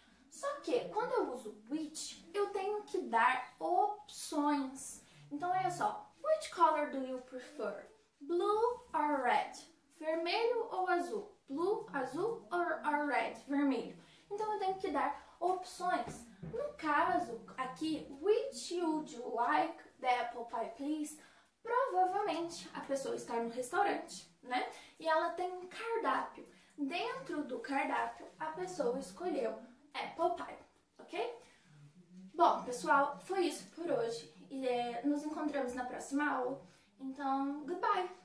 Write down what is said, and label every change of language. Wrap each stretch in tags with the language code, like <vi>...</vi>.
<pt>Só que quando eu uso which, eu tenho que dar opções. Então, olha só.</pt> <en>Which color do you prefer? Blue or red?</en> <pt>Vermelho ou azul? Blue, azul or red? Vermelho. Então, eu tenho que dar opções. No caso, aqui,</pt> <en>which would you like the apple pie, please?</en> <pt>Provavelmente, a pessoa está no restaurante, né? E ela tem um cardápio. Dentro do cardápio, a pessoa escolheu apple pie, ok? Bom, pessoal, foi isso por hoje. Nos encontramos na próxima aula. Então, goodbye!</pt>